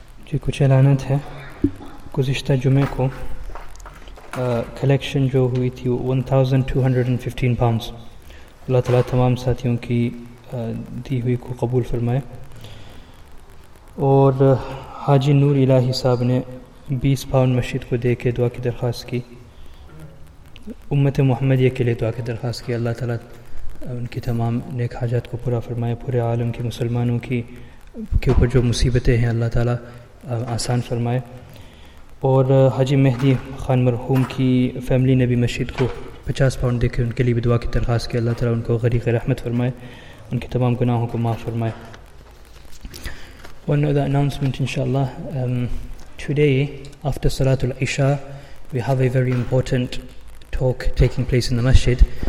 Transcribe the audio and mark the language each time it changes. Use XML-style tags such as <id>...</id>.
<ur>جی کچھ اعلانات ہیں. گزشتہ جمعے کو کلیکشن جو ہوئی تھی 1,215 pounds. اللہ تعالیٰ تمام ساتھیوں کی دی ہوئی کو قبول فرمائے. اور حاجی نور الہی صاحب نے 20 pounds مسجد کو دے کے دعا کی درخواست کی, امت محمدیہ کے لیے دعا کی درخواست کی. اللہ تعالیٰ ان کی تمام نیک حاجات کو پورا فرمائے, پورے عالم کے مسلمانوں کی اوپر جو مصیبتیں ہیں اللہ تعالیٰ آسان فرمائے. اور حاجی مہدی خان مرحوم کی فیملی نے بھی مسجد کو 50 pounds دے کے ان کے لیے بھی دعا کی درخواست کی. اللہ تعالیٰ ان کو غریق رحمت فرمائے, ان کے تمام گناہوں کو معاف فرمائے.</ur> <en>One other announcement, ان شاء اللہ ٹوڈے آفٹر صلاۃ العشاء we have a very important talk taking place in the masjid.</en>